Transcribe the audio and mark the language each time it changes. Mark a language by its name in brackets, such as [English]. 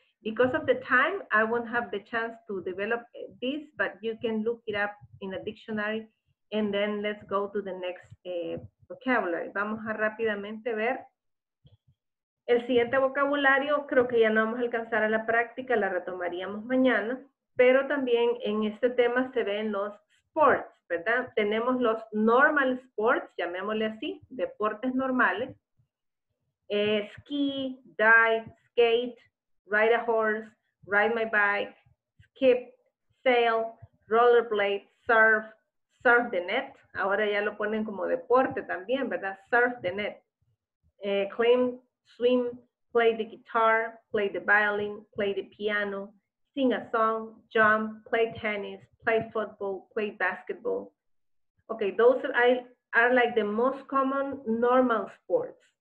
[English] Because of the time, I won't have the chance to develop this, but you can look it up in a dictionary, and then let's go to the next vocabulary. [Spanish] Vamos a rápidamente ver el siguiente vocabulario. Creo que ya no vamos a alcanzar a la práctica, la retomaríamos mañana, pero también en este tema se ven los sports, ¿verdad? Tenemos los [English] normal sports, [Spanish] llamémosle así, deportes normales, [English] ski, dive, skate, ride a horse, ride my bike, skip, sail, rollerblade, surf the net. [Spanish] Ahora ya lo ponen como deporte también, ¿verdad? [English] Surf the net. Climb, swim, play the guitar, play the violin, play the piano, sing a song, jump, play tennis, play football, play basketball. Okay, those are like the most common normal sports.